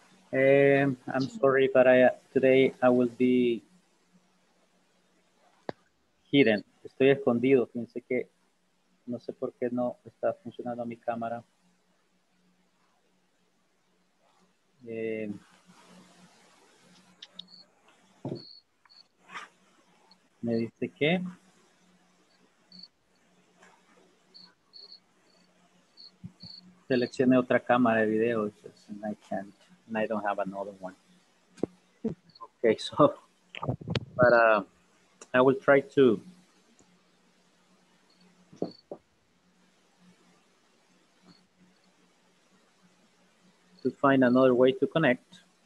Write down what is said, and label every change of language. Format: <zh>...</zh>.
<en>I'm sorry, but today I will be hidden.</en> <es>Estoy escondido. Fíjense que no sé por qué no está funcionando mi cámara. Me dice que seleccione otra cámara de video.</es> <en>I can't, and I don't have another one. Okay, so but I will try to find another way to connect.</en>